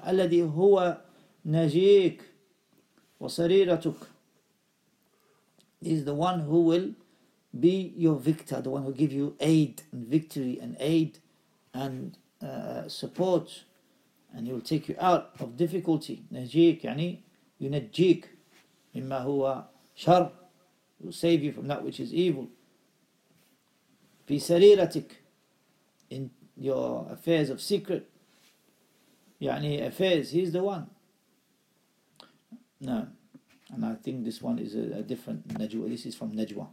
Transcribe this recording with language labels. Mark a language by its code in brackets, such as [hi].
[ar] الَّذِي هُوَ نَجِيكَ وَسَرِيرَتُكَ. [en] He's the one who will be your victor, the one who give you aid and victory and aid and support. And he will take you out of difficulty. [ar] نَجِيكَ يعني يُنَجِيكَ مِمَّا هُوَ شَرْ. [en] He will save you from that which is evil. [ar] في سريرتك, [en] in your affairs of secret, [ar] يعني [en] affairs, he's the one. No, and I think this one is a different Najwa. This is from Najwa.